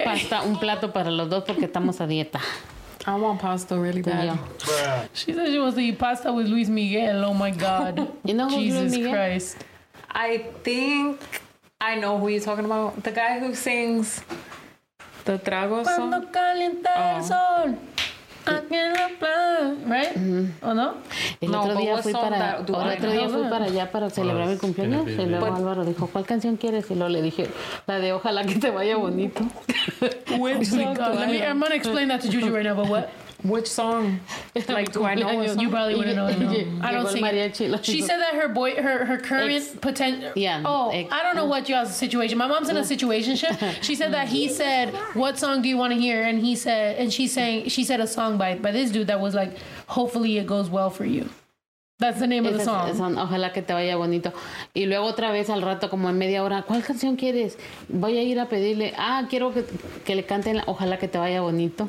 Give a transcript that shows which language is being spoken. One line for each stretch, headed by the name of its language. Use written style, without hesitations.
Spanish: Pasta, un plato para los dos porque estamos a dieta.
English: I want pasta really bad. Yeah. She said she wants to eat pasta with Luis Miguel. Oh my God. You know who's Jesus Miguel? Christ. I think I know who you're talking about. The guy who sings the trago song.
Spanish: Cuando calienta el sol. Aquí en la playa.
English: Right? Mm-hmm.
Spanish: ¿O no? El otro día fui para allá para celebrar mi cumpleaños. Y luego Álvaro dijo, ¿cuál canción quieres? Y luego le dije, la de Ojalá que te vaya bonito.
English: Which song? I'm going to explain that to Juju right now, but what? Which song? Like, do I know a song? You probably wouldn't know. I don't sing it. She said that her current potential... Yeah. Oh, I don't know what y'all's situation... My mom's in a situationship. She said that he said, what song do you want to hear? And he said... And she said a song by this dude that was like, hopefully it goes well for you. That's the name of the song.
Spanish: Ojalá que te vaya bonito. Y luego otra vez al rato, como en media hora, ¿cuál canción quieres? Voy a ir a pedirle, quiero que le canten Ojalá que te vaya bonito.